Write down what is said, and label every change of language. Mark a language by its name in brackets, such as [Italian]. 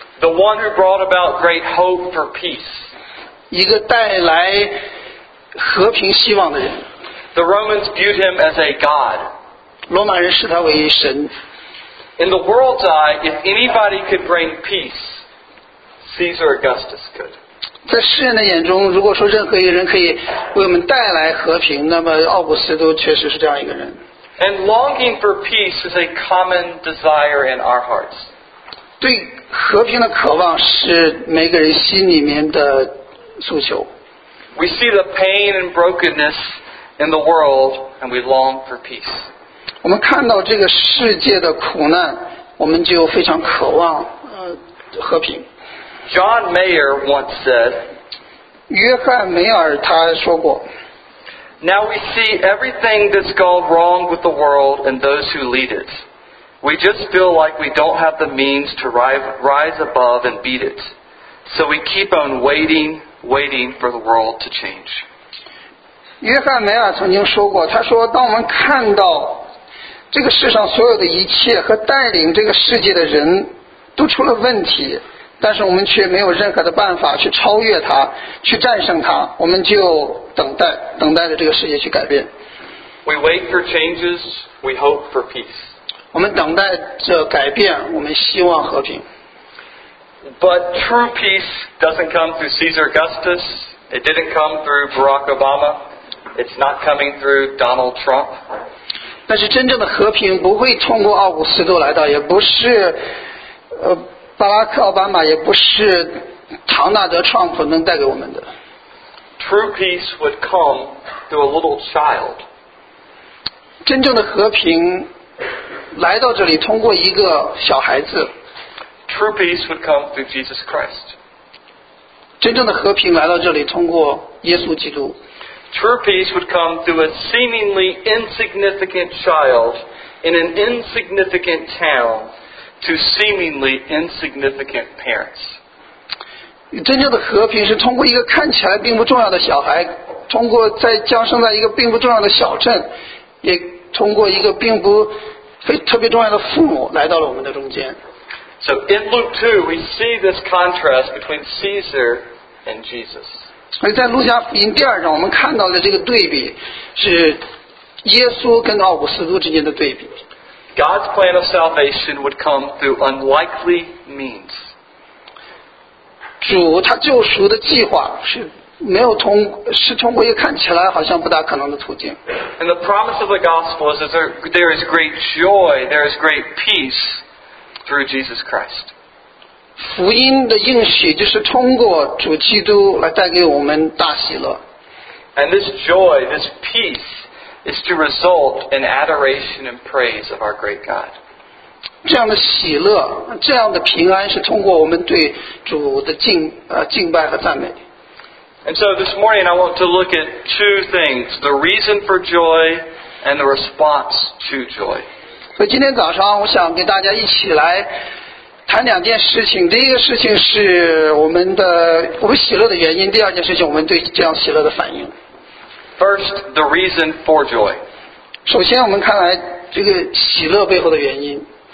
[English] The one who brought about great hope for peace. [Chinese] 一个带来和平希望的人。 [English] The Romans viewed him as a god. [Chinese] 罗马人视他为神。 [English] In the world's eye, if anybody could bring peace, Caesar Augustus could. [Chinese] 在世人的眼中，如果说任何一个人可以为我们带来和平，那么奥古斯都确实是这样一个人。 [English] And longing for peace is a common desire in our hearts. [Chinese] 对和平的渴望是每个人心里面的诉求。 [English] We see the pain and brokenness in the world, and we long for peace. [Chinese] 我们看到这个世界的苦难，我们就非常渴望和平。 [English] John Mayer once said, [Chinese] 约翰梅尔他说过， [English] Now we see everything that's gone wrong with the world and those who lead it. We just feel like we don't have the means to rise above and beat it. So we keep on waiting, waiting for the world to change. [Chinese] 约翰梅尔曾经说过，他说当我们看到这个世上所有的一切和带领这个世界的人都出了问题，但是我们却没有任何的办法去超越它，去战胜它，我们就等待着这个世界去改变。 [English] We wait for changes, we hope for peace. [Chinese] 我们等待着改变，我们希望和平。 [English] But true peace doesn't come through Caesar Augustus, it didn't come through Barack Obama, it's not coming through Donald Trump. [Chinese] 但是真正的和平不会通过奥古斯都来到，也不是巴拉克奥巴马，也不是唐纳德特朗普能带给我们的。 [English] True peace would come through a little child. [Chinese] 真正的和平来到这里，通过一个小孩子。 [English] True peace would come through Jesus Christ. [Chinese] 真正的和平来到这里，通过耶稣基督。 [English] True peace would come through a seemingly insignificant child in an insignificant town to seemingly insignificant parents. [Chinese] 真正的和平是通过一个看起来并不重要的小孩，通过在降生在一个并不重要的小镇，也通过一个并不非特别重要的父母来到了我们的中间。 [English] So in Luke 2, we see this contrast between Caesar and Jesus. [Chinese] 所以在路加福音第二章，我们看到的这个对比是耶稣跟奥古斯都之间的对比。 [English] God's plan of salvation would come through unlikely means. [Chinese] 主他救赎的计划是通过一个看起来好像不大可能的途径。 [English] And the promise of the gospel is that there is great joy, there is great peace through Jesus Christ. [Chinese] 福音的应许就是通过主基督来带给我们大喜乐。 [English] And this joy, this peace, is to result in adoration and praise of our great God. [Chinese] 这样的喜乐，这样的平安是通过我们对主的敬拜和赞美。 [English] And so this morning I want to look at two things, the reason for joy and the response to joy. [Chinese] 所以今天早上我想跟大家一起来谈两件事情，第一个事情是我们喜乐的原因，第二件事情我们对这样喜乐的反应。 [English] First, the reason for joy. [Chinese] 首先我们看来这个喜乐背后的原因。